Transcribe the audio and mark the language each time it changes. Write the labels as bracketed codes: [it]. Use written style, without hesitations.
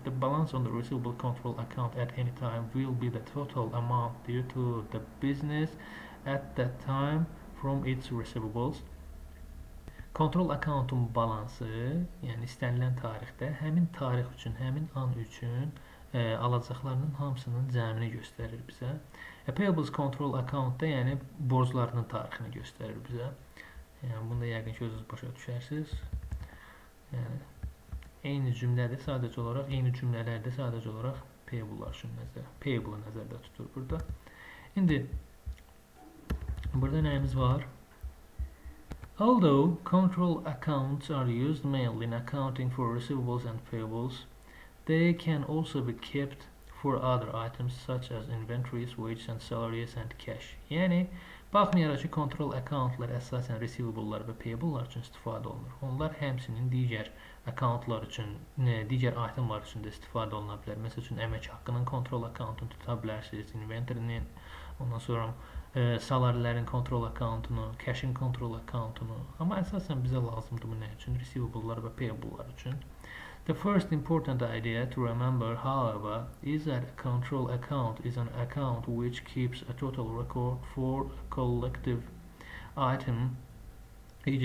[en] The balance on the receivable control account at any time will be the total amount due to the business at that time from its receivables. [az] Control account-un balansı, yəni istənilən tarixdə həmin tarix üçün, həmin an üçün alacaqlarının hamısının cəmini göstərir bizə. Payables control account-da, yəni borclarının tarixini göstərir bizə. Yəni bunu da yəqin ki, özünüz başa düşərsiniz. Yəni eyni cümlədir, sadəcə olaraq eyni cümlələrdə sadəcə olaraq payable-lar üçün payable-ı nəzərdə tutur burada. İndi burada nəyimiz var? [en] Although control accounts are used mainly in accounting for receivables and payables, they can also be kept for other items such as inventories, wages and salaries and cash. [az] Yəni, baxmayaraq ki, control accountlar əsasən receivable-lar və payable-lar üçün istifadə olunur. Onlar həmsinin digər accountlar üçün, digər itemlar üçün də istifadə oluna bilər. Məsəl üçün, əmək haqqının control accountunu tuta bilərsiniz, inventory-nin, ondan sonra salarilərin control accountunu, cash-in control accountunu. Amma əsasən bizə lazımdır bu nə üçün? Receivable-lar və payable-lar üçün. [en] The first important idea to remember, however, is that a control account is an account which keeps a total record for a collective item, e.g.